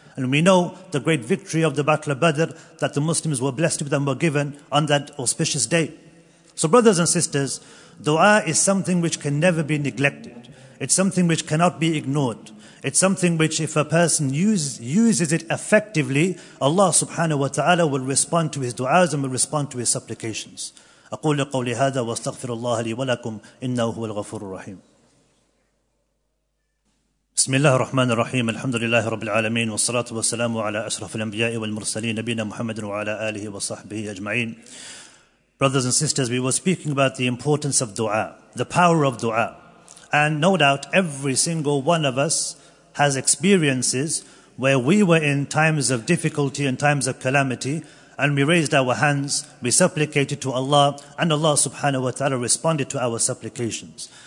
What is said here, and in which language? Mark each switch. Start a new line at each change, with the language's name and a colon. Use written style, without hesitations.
English: And we know the great victory of the Battle of Badr that the Muslims were blessed with and were given on that auspicious day. So brothers and sisters, dua is something which can never be neglected. It's something which cannot be ignored. It's something which if a person uses it effectively, Allah subhanahu wa ta'ala will respond to his du'as and will respond to his supplications.
Arabic: أقول قولي هذا واستغفر الله لي ولكم إنه هو الغفور الرحيم. بسم الله الرحمن الرحيم الحمد لله رب العالمين والصلاة والسلام على أشرف الأنبياء والمرسلين نبينا محمد وعلى آله وصحبه أجمعين.
English: Brothers and sisters, we were speaking about the importance of dua, the power of dua. And no doubt every single one of us has experiences where we were in times of difficulty and times of calamity and we raised our hands, we supplicated to Allah and Allah subhanahu wa ta'ala responded to our supplications.